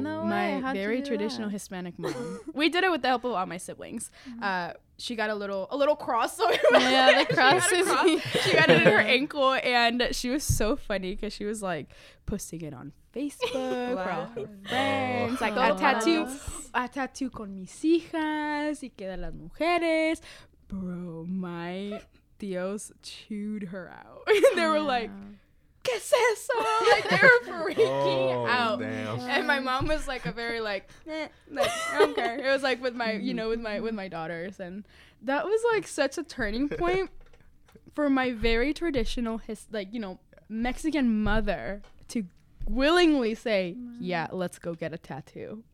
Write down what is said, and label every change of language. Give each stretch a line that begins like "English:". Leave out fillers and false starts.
English: no way. My very traditional Hispanic mom. We did it with the help of all my siblings. Mm-hmm. She got a little cross. The cross. She got it in her ankle, and she was so funny because she was like posting it on Facebook for all her friends. Like, a tattoo
Spanish: con mis hijas y que de las mujeres.
English: Bro, my tíos chewed her out. They were like,
Spanish: ¿qué es eso?
English: Like, they were freaking out. Damn. And my mom was like a very like, like, I don't care. It was like with my daughters. And that was like such a turning point for my very traditional, Mexican mother to willingly say, yeah, let's go get a tattoo.